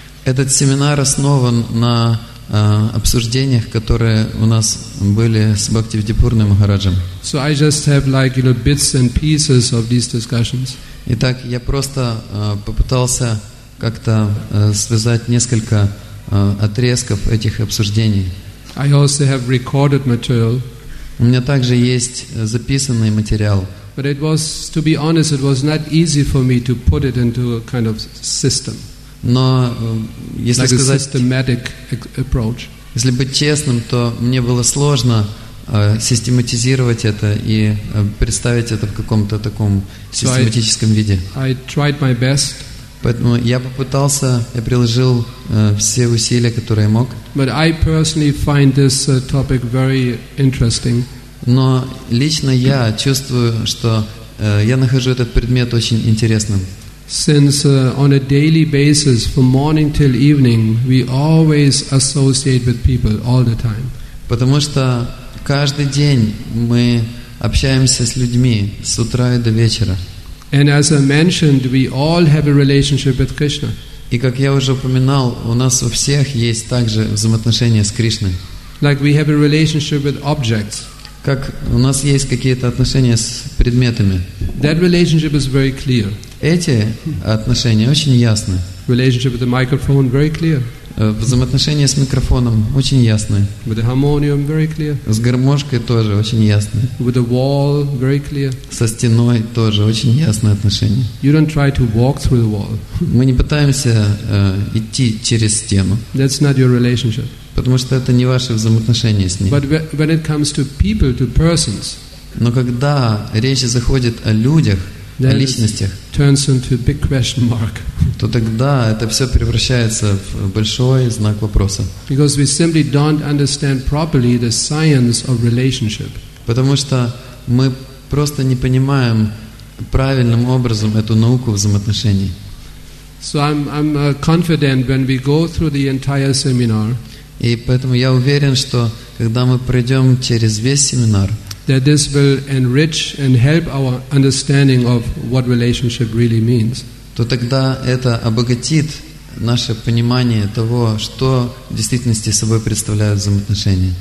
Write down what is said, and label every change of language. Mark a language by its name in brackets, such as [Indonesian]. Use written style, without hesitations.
[Russian] Этот семинар основан на обсуждениях, которые у нас были с Бхактивидипурной Махараджем. [English] So I just have like, you know, bits and pieces of these discussions. [Russian] Итак, я просто попытался как-то связать несколько отрезков этих обсуждений. [English] I also have recorded material. [Russian] У меня также есть записанный материал. [English] But it was, to be honest, it was not easy for me to put it into a kind of system. [Russian] Но если [English] like [Russian] сказать, [English] a systematic approach. [Russian] Если быть честным, то мне было сложно систематизировать это и представить это в каком-то таком систематическом виде. [English] I tried my best. [Russian] Поэтому я попытался, я приложил все усилия, которые мог. [English] But I personally find this topic very interesting. [Russian] Но лично я чувствую, что я нахожу этот предмет очень интересным. [English] Since on a daily basis, from morning till evening, we always associate with people all the time. [Russian] Потому что каждый день мы общаемся с людьми с утра и до вечера. [English] And as I mentioned, we all have a relationship with Krishna. [Russian] И как я уже упоминал, у нас у всех есть также взаимоотношения с Кришной. [English] Like we have a relationship with objects. [Russian] Как у нас есть какие-то отношения с предметами. [English] That relationship is very clear. [Russian] Эти отношения очень ясны. [English] Relationship with the microphone, very clear. [Russian] Взаимоотношения с микрофоном очень ясны. [English] With the harmonium, very clear. [Russian] С гармошкой тоже очень ясны. [English] With the wall, very clear. [Russian] Со стеной тоже очень ясные отношения. [English] You don't try to walk through the wall. [Russian] Мы не пытаемся идти через стену. [English] That's not your relationship. [Russian] Потому что это не ваши взаимоотношения с ней. [English] But when it comes to people, to persons, [Russian] но когда речь заходит о людях, о личностях, [English] turns into a big question mark. [Russian] То тогда это все превращается в большой знак вопроса. [English] Because we simply don't understand properly the science of relationship. [Russian] Потому что мы просто не понимаем правильным образом эту науку взаимоотношений. [English] So I'm confident when we go through the entire seminar. [Russian] И поэтому я уверен, что когда мы пройдем через весь семинар, [English] that this will enrich and help our understanding of what relationship really means. [Russian] То тогда это обогатит наше понимание того, что в действительности собой представляют взаимоотношения.